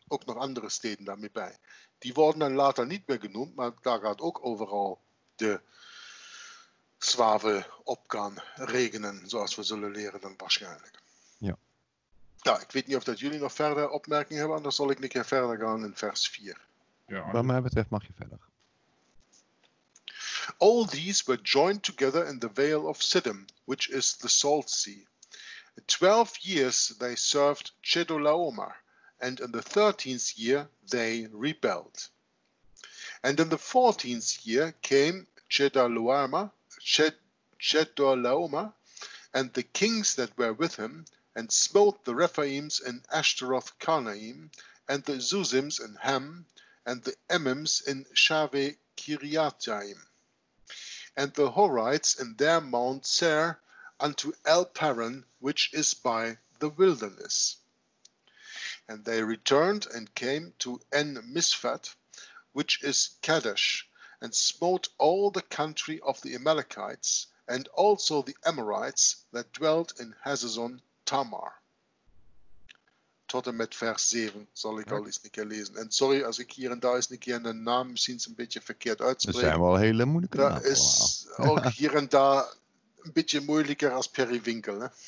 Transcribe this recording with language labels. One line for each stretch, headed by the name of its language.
Dutch: Ook nog andere steden daarmee bij. Die worden dan later niet meer genoemd, maar daar gaat ook overal de zwavel op kan regenen, zoals we zullen leren dan waarschijnlijk. Ja. Ja, ik weet niet of dat jullie nog verder opmerkingen hebben, anders zal ik een keer verder gaan in vers 4. Ja. Wat mij betreft mag je verder.
English: All these were joined together in the Vale of Siddim, which is the Salt Sea. 12 years they served Chedorlaomer, and in the 13th year they rebelled. And in the 14th year came Chedorlaomer and the kings that were with him, and smote the Rephaims in Ashtaroth-Karnaim, and the Zuzims in Ham, and the Emims in Shaveh-Kiriataim, and the Horites in their Mount Seir unto El Paran, which is by the wilderness. And they returned and came to En-Misphat, which is Kadesh, and smote all the country of the Amalekites, and also the Amorites that dwelt in Hazazon Tamar.
Dutch: Tot en met vers 7 zal ik al eens een keer lezen. En sorry als ik hier en daar eens een keer in de naam misschien een beetje verkeerd uitspreek. Dat zijn wel hele moeilijke namen. Dat is ook hier en daar een beetje moeilijker als Perry Winkel. Hè?